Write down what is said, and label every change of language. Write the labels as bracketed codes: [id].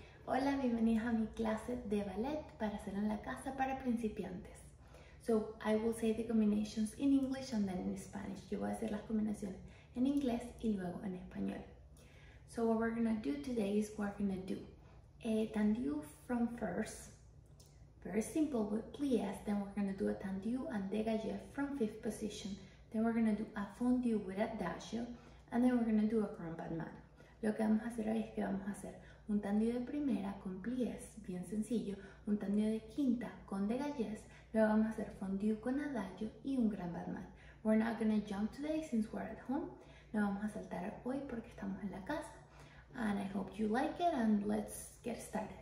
[es] Hola, bienvenidos a mi clase de ballet para hacer en la casa para principiantes. [en] So, I will say the combinations in English and then in Spanish. [es] Yo voy a hacer las combinaciones en inglés y luego en español. [en] So, what we're gonna do today is we're gonna do a tendu from first, very simple with plies. Then we're gonna do a tendu and dégagé from fifth position. Then we're gonna do a fondue with adagio. And then we're gonna do a crumpet man. [es] Lo que vamos a hacer hoy es que vamos a hacer un tendido de primera con plies, bien sencillo, un tendido de quinta con dégagés, luego vamos a hacer fondue con adagio y un crumpet man. [en] We're not gonna jump today since we're at home. [es] No vamos a saltar hoy porque estamos en la casa. [en] And I hope you like it and let's get started.